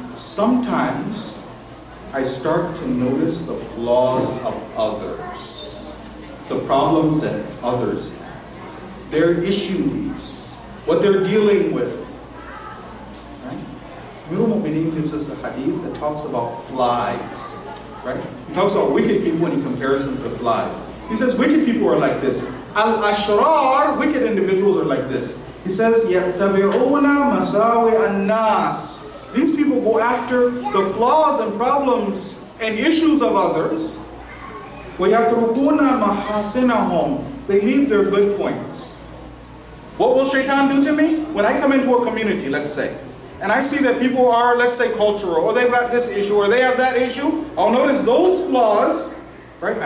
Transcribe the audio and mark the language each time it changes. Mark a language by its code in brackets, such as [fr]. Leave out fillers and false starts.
[en] Sometimes I start to notice the flaws of others, the problems that others have, their issues, what they're dealing with. Right? Ibn Mu'mineen gives us a hadith that talks about flies. Right? He talks about wicked people and he compares them to flies. He says wicked people are like this. Al-ashrar, wicked individuals are like this. He says, [ar] يَتَّبِعُونَ مَسَاوِئَ النَّاسِ. [en] These people go after the flaws and problems and issues of others. [ar] وَيَتْرُكُونَ مَحَاسِنَهُمْ. [en] They leave their good points. What will shaitan do to me? When I come into a community, let's say, and I see that people are, let's say, cultural, or they've got this issue, or they have that issue, I'll notice those flaws, right?